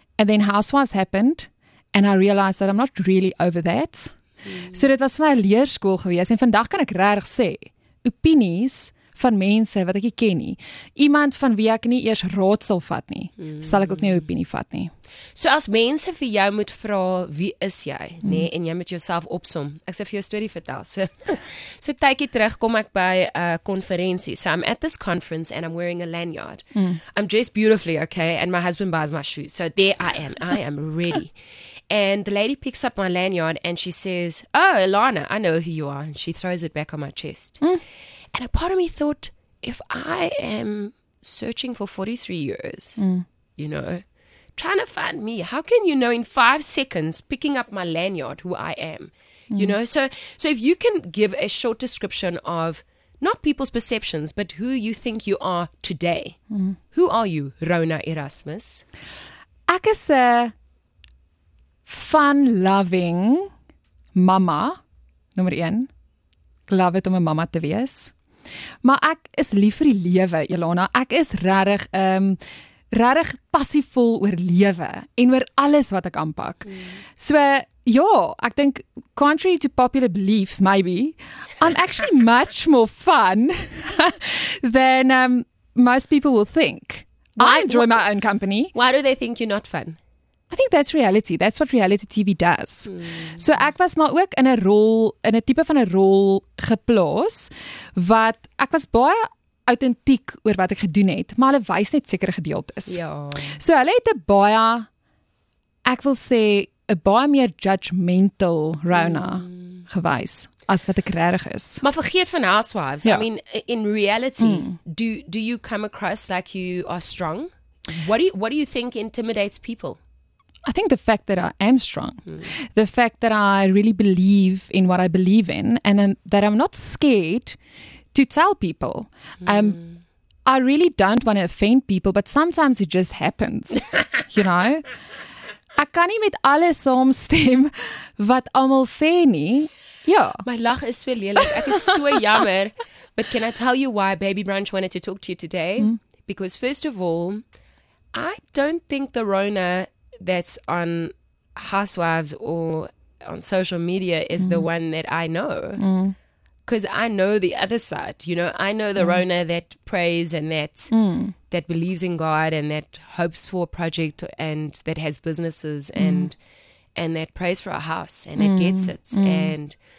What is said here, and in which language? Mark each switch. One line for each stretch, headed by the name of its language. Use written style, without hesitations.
English: And then Housewives happened and I realized that I'm not really over that.
Afrikaans: So dit was vir my 'n leerskool gewees en vandag kan ek regtig sê opinies van mense wat ek nie ken nie. Iemand van wie ek nie eers raadsel vat nie, sal ek ook nie 'n opinie vat nie. So as mense vir jou moet vra wie is jy, nê, en jy moet jouself opsom. Ek sal vir jou 'n storie vertel. So tydjie terug kom ek by 'n konferensie.
English: So I'm at this conference and I'm wearing a lanyard. I'm dressed beautifully, okay, and my husband buys my shoes. So there I am. I am ready. And the lady picks up my lanyard and she says, "Oh, Alana, I know who you are." And she throws it back on my chest. And a part of me thought, if I am searching for 43 years, you know, trying to find me, how can you know in 5 seconds picking up my lanyard who I am? You know, so if you can give a short description of not people's perceptions, but who you think you are today. Who are you, Rhona Erasmus?
Afrikaans: Ek is 'n fun-loving mama, nommer 1. Ek love it om 'n mama te wees. Maar ek is lief vir die lewe, Jelana. Ek is regtig regtig passievol oor lewe en oor alles wat ek aanpak. So ja, ek dink
English: contrary to popular belief maybe, I'm actually much more fun than most people will think. I enjoy my own company. Why do they think you're not fun? I think that's reality. That's what reality TV does.
Afrikaans: So ek was maar ook in 'n rol, in 'n tipe van 'n rol geplaas wat ek was baie autentiek oor wat ek gedoen het, maar hulle wys net sekere gedeeltes. Ja. So hulle het 'n baie, ek wil sê, 'n baie meer judgmental Rhona gewys as wat ek regtig is. Maar vergeet van Housewives.
English: Yeah. I mean, in reality, do you come across like you are strong? What do you think intimidates people? I think the fact that I am strong, the fact that I really believe in what I believe in, and that I'm not scared to tell people. I really don't want to offend people, but sometimes it just happens, you know?
Afrikaans: Ek kan nie met alles saamstem wat almal sê nie. Ja. My lag is so lelik. Ek is so jammer.
English: But can I tell you why Baby Brunch wanted to talk to you today? Because first of all, I don't think the Rhona that's on Housewives or on social media is the one that I know. Because I know the other side. You know, I know the Rhona that prays and that believes in God and that hopes for a project and that has businesses and that prays for a house and that gets it. And